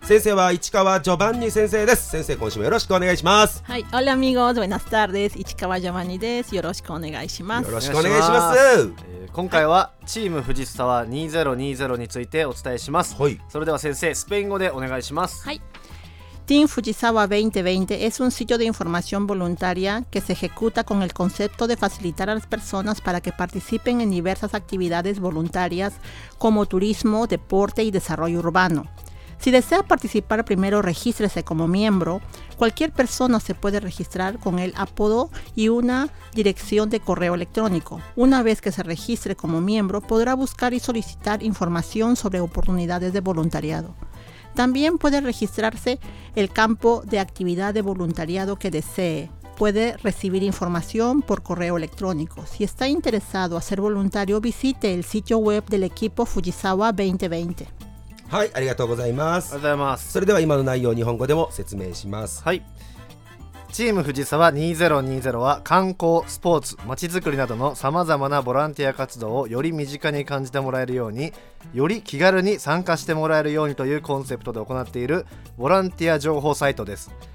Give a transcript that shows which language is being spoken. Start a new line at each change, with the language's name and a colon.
Japanese: 先生は市川ジョバンニ先生です。先生今週もよろしくお願いします。はい、
Spanish: オラアミゴーズ、ウェナスタール
Japanese: です。市川ジョバンニです。よろしくお願いします。よろしくお願いします。今回はチーム藤沢2020についてお伝えします。はい、それでは先生スペイン語でお願いします。
Spanish: はい、Team Fujisawa 2020 es un sitio de información voluntaria que se ejecuta con el concepto de facilitar a las personas para que participen en diversas actividades voluntarias como turismo, deporte y desarrollo urbano. Si desea participar, primero regístrese como miembro. Cualquier persona se puede registrar con el apodo y una dirección de correo electrónico. Una vez que se registre como miembro, podrá buscar y solicitar información sobre oportunidades de voluntariado. También puede registrarse el campo de actividad de voluntariado que desee. Puede recibir información por correo electrónico. Si está interesado a ser voluntario, visite el sitio web del equipo Fujisawa 2020.
Japanese: はい、ありがとうございます。ありがとうございます。それでは今の内容を日本語でも説明します。はい、チーム藤沢2020は観光、スポーツ、街づくりなどのさまざまなボランティア活動をより身近に感じてもらえるように、より気軽に参加してもらえるようにというコンセプトで行っているボランティア情報サイトです。